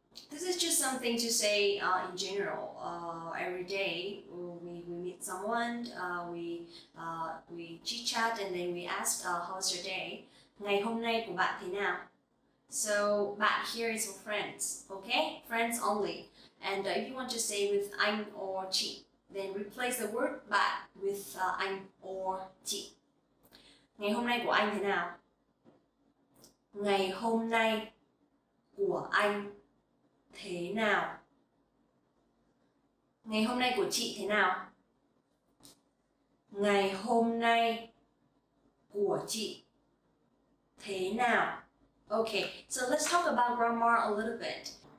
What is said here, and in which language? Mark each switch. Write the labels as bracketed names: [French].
[English] This is just something to say in general. Every day we meet someone, we chit chat, and then we ask how's your day. [Vietnamese] Ngày hôm nay của bạn thế nào? [English] So, bạn here is for friends, okay? Friends only. And if you want to say with anh or chị, then replace the word bạn with anh or chị. [Vietnamese] Ngày hôm nay của anh thế nào? Ngày hôm nay của anh thế nào? Ngày hôm nay của chị thế nào? Ngày hôm nay của chị thế nào? [English] Okay, so let's talk about grammar a little bit.